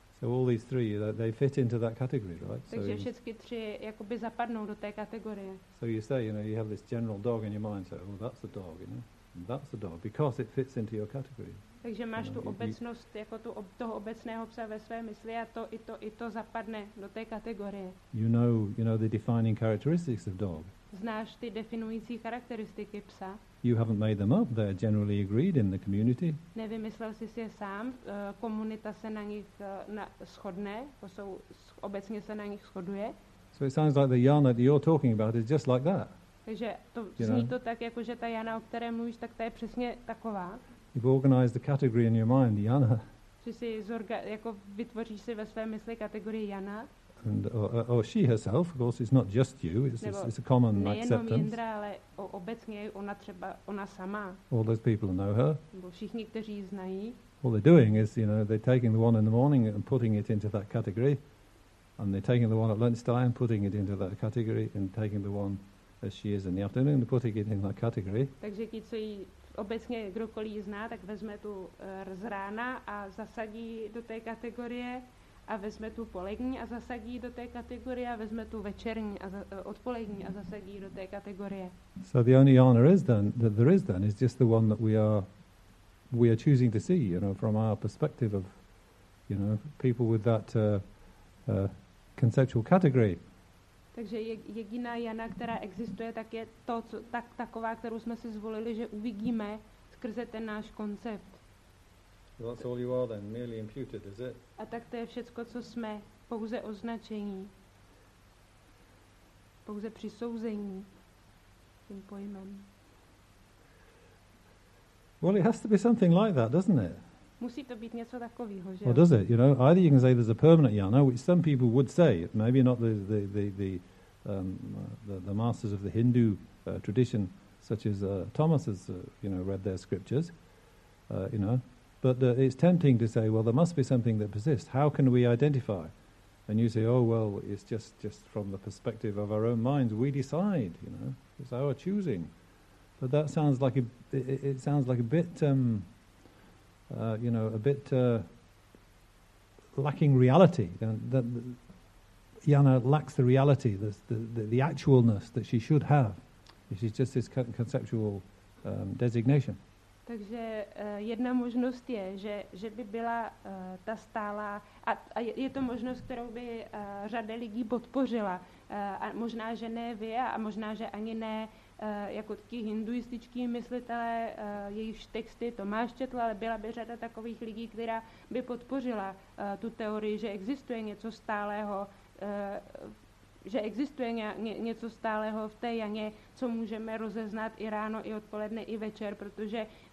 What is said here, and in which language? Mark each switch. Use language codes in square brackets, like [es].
[en] So all these three, they fit into that category, right? [cs] Takže všechny tři jakoby zapadnou do té kategorie. [en] So you say, you know, you have this general dog in your mind, so, oh, that's a dog, you know, and that's a dog, because it fits into your category. [cs] Takže máš tu obecnost, jako toho obecného psa ve své mysli a to zapadne do té kategorie. [en] You know the defining characteristics of dog. [cs] Znáš ty definující charakteristiky psa. [en] You haven't made them up, they're generally agreed in the community. [cs] Nevymyslel jsi si je sám, komunita se na nich shodne, obecně se na nich shoduje. [en] So it sounds like the yana that you're talking about is just like that. [cs] Takže to zní to tak, jakože ta yana, o které mluvíš, tak ta je přesně taková. [en] You've organized the category in your mind, yana. [cs] Že si vytvoříš si ve své mysli kategorii yana. [en] And or she herself, of course, it's not just you, it's a common acceptance. [cs] Jindra, ale obecně ona třeba, ona sama. [en] All those people know her. [cs] Všichni, kteří ji znají. [en] All they're doing is, you know, they're taking the one in the morning and putting it into that category, and they're taking the one at lunchtime, putting it into that category, and taking the one as she is in the afternoon, and putting it in that category. [cs] Takže ti, co ji obecně kdokoliv zná, tak vezme tu z rána a zasadí do té kategorie. a vezme tu polední a zasadí do té kategorie a vezme tu večerní a odpolední a zasadí do té kategorie. [en] So the only honor is then that there is then is just the one that we are choosing to see, you know, from our perspective of, you know, people with that conceptual category. [cs] Takže jediná Jana, která existuje, tak je to, co, tak taková, kterou jsme si zvolili, že uvidíme skrze ten náš koncept. [en] Well, that's all you are then, merely imputed, is it? [cs] A tak to je všecko, co jsme, pouze označení, pouze přisouzení tím pojmem. [en] Well, it has to be something like that, doesn't it? [cs] Musí to být něco takového, že? [en] Well, does it? You know, either you can say there's a permanent Jana, which some people would say, maybe not the masters of the Hindu tradition, such as Thomas has, read their scriptures, but it's tempting to say, well, there must be something that persists. How can we identify? And you say, oh, well, it's just from the perspective of our own minds, we decide, you know, it's our choosing. But that sounds like a bit lacking reality. That Jana lacks the reality, the actualness that she should have. She's just this conceptual designation. [cs] Takže jedna možnost je, že by byla ta stálá, a je to možnost, kterou by řada lidí podpořila. A možná, že ne vy, a možná, že ani ne jako ti hinduističtí myslitelé, jejichž texty Tomáš četl, ale byla by řada takových lidí, která by podpořila tu teorii, že existuje něco stálého, že existuje něco stálého v té Janě, co můžeme rozeznat i ráno, i odpoledne, i večer, protože